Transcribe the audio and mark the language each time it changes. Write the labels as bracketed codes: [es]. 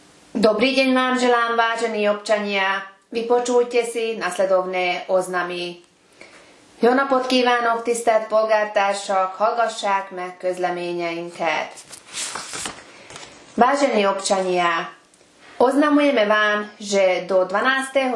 [sk] Dobrý deň vám želám, vážení občania. Vypočujte si nasledovné oznamy. [hu] Jónapot kívánok, tisztelt polgártársak, hallgassák meg közleményeinket. [sk] Vážení občania, oznamujeme vám, že do 12.